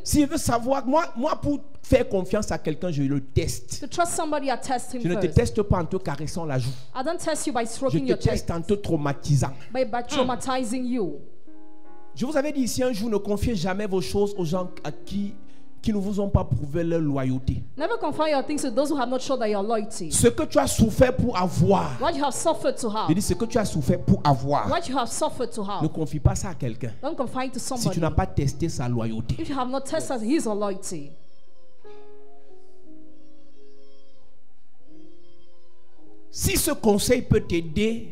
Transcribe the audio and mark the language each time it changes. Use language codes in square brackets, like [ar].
[fr] si je veux savoir, moi pour faire confiance à quelqu'un, je le teste. [en] To trust somebody, I test him [fr] je ne te [en] first. [fr] Teste pas en te caressant la joue. [en] I don't test you by stroking [fr] je te teste en te traumatisant. [en] By traumatizing you. [fr] Je vous avais dit ici un jour, ne confiez jamais vos choses aux gens à qui ne vous ont pas prouvé leur loyauté. [en] Never confide your things to those who have not shown that your loyalty. [fr] Ce que tu as souffert pour avoir. [en] What you have suffered to have. [fr] Je dis ce que tu as souffert pour avoir. [en] What you have suffered to have. [fr] Ne confie pas ça à quelqu'un. [en] Don't confide to somebody. [fr] Si tu n'as pas testé sa loyauté. [en] If you have not tested his loyalty. [fr] Si ce conseil peut t'aider.